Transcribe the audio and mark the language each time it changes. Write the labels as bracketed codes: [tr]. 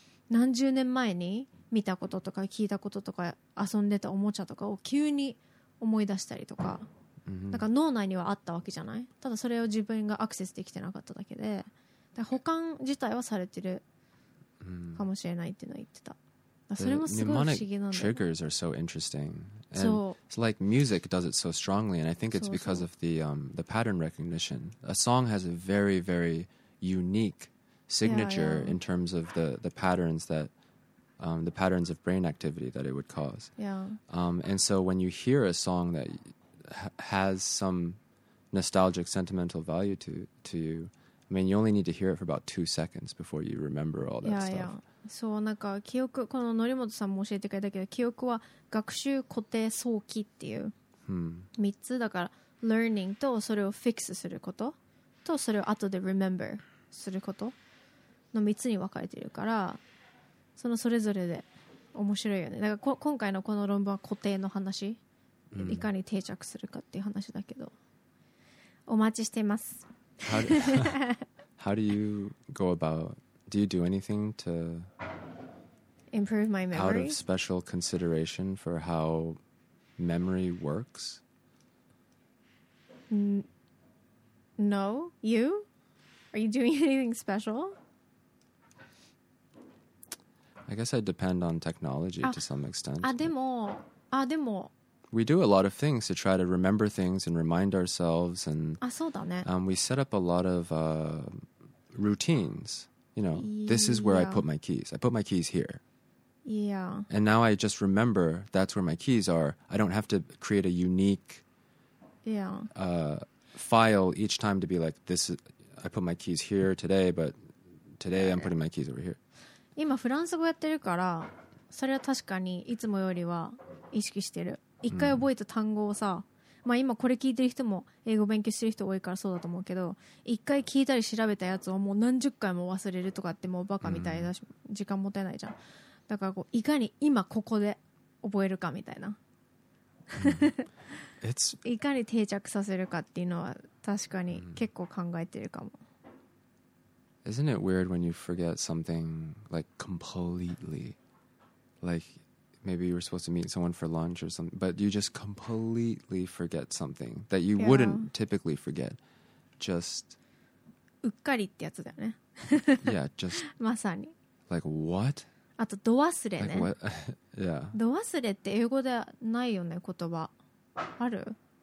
[ja] 何十年前に見たこととか聞いたこととか遊んでたおもちゃとかを急に思い出したりとか、だから脳内にはあったわけじゃない、ただそれを自分がアクセスできてなかっただけで、だから保管自体はされてるかもしれないっていうのは言ってた。それもすごい不思議なんだよね。 [en] The mnemonic triggers are so interestingAnd it's like music does it so strongly, and I think it's because of the pattern recognition. A song has a very, very unique signature in terms of the patterns that the patterns of brain activity that it would cause. And so when you hear a song that has some nostalgic, sentimental value to you, I mean, you only need to hear it for about 2 seconds before you remember all that stuff. Yeah. [ja] そう、なんか記憶、この則本さんも教えてくれたけど、記憶は学習、固定、早期っていう3つだから、 [en] learning [ja] とそれを [en] fix [ja] することとそれを後で [en] remember [ja] することの3つに分かれてるから、そのそれぞれで面白いよね。だから今回のこの論文は固定の話、いかに定着するかっていう話だけど、お待ちしています。 [en] How do you go aboutDo you do anything to improve my memory? Out of special consideration for how memory works? No. You? Are you doing anything special? I guess I depend on technology to some extent. [ja] でも。 [en] We do a lot of things to try to remember things and remind ourselves. And, [ja] そうだね。 [en] We set up a lot of routines. You know, this is where I put my keys. I put my keys here. Yeah. And now I just remember that's where my keys are. I don't have to create a unique file each time to be like, this is, I put my keys here today, but today I'm putting my keys over here. [ja] 今フランス語やってるから、それは確かにいつもよりは意識してる。一回覚えた単語をさ、まあ、今これ聞いてる人も英語勉強してる人多いからそうだと思うけど、一回聞いたり調べたやつをもう何十回も忘れるとかってもうバカみたいだし、時間もてないじゃん。だからこういかに今ここで覚えるかみたいな、いかに定着させるかっていうのは確かに結構考えてるかも。 [en] Isn't it weird when you forget something like completely? LikeMaybe you were supposed to meet someone for lunch or something, but you just completely forget something that you wouldn't typically forget. Just. [ja] うっかりってやつだよね。 [en] Yeah, just. [ja] まさに。 [en] Like, what? [ja] あとど忘れね。 [en] Yeah. [ja] ど忘れって英語でないよね、言葉。ある？